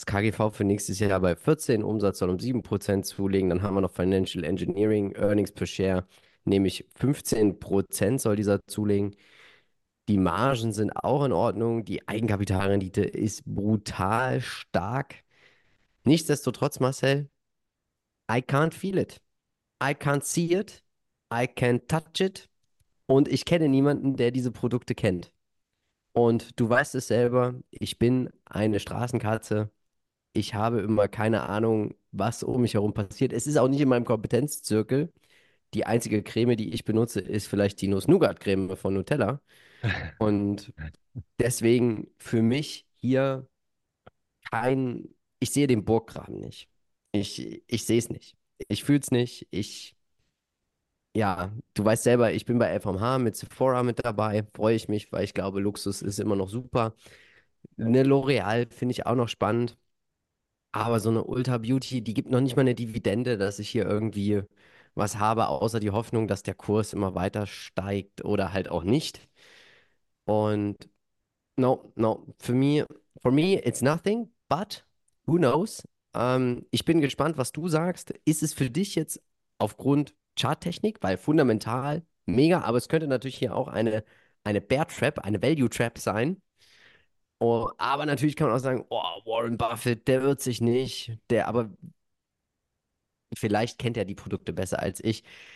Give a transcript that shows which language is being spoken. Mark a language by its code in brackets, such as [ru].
[de] Das KGV für nächstes Jahr bei 14, Umsatz soll um 7% zulegen. Dann haben wir noch Financial Engineering, Earnings per Share, nämlich 15% soll dieser zulegen. Die Margen sind auch in Ordnung. Die Eigenkapitalrendite ist brutal stark. Nichtsdestotrotz, [en] Marcel, I can't feel it. I can't see it. I can't touch it. [de] Und ich kenne niemanden, der diese Produkte kennt. Und du weißt es selber, ich bin eine Straßenkatze. Ich habe immer keine Ahnung, was um mich herum passiert. Es ist auch nicht in meinem Kompetenzzirkel. Die einzige Creme, die ich benutze, ist vielleicht die Nuss-Nougat-Creme von Nutella. Und deswegen für mich hier kein. Ich sehe den Burggraben nicht. Ich sehe es nicht. Ich fühle es nicht. Ja, du weißt selber, ich bin bei LVMH mit Sephora mit dabei. Freue ich mich, weil ich glaube, Luxus ist immer noch super. Eine L'Oréal finde ich auch noch spannend. Aber so eine Ulta Beauty, die gibt noch nicht mal eine Dividende, dass ich hier irgendwie was habe, außer die Hoffnung, dass der Kurs immer weiter steigt oder halt auch nicht. Und [en] no, no, for me, it's nothing, but who knows? [de] Ich bin gespannt, was du sagst. Ist es für dich jetzt aufgrund Charttechnik, weil fundamental mega, aber es könnte natürlich hier auch eine Bear Trap, eine Value Trap sein. Oh, aber natürlich kann man auch sagen, oh, Warren Buffett, der wird sich nicht, der, aber vielleicht kennt er die Produkte besser als ich.